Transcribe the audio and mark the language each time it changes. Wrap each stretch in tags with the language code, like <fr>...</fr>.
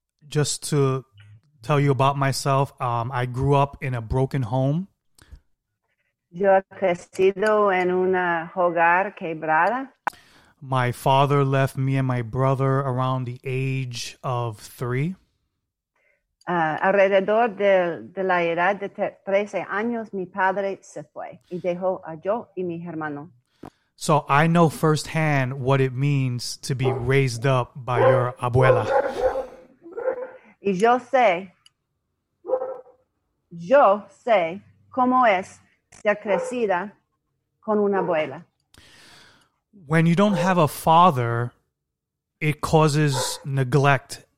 <en>Just to tell you about myself, I grew up in a broken home.</en> <es>Yo he crecido en una hogar quebrada.</es> <en>My father left me and my brother around the age of 3.</en> <es>Alrededor de la edad de 13 años, mi padre se fue y dejó a yo y mi hermano.</es> <en>So I know firsthand what it means to be raised up by your abuela.</en> <es>Y yo sé cómo es ser crecida con una abuela.</es> <en>When you don't have a father, it causes neglect.</en>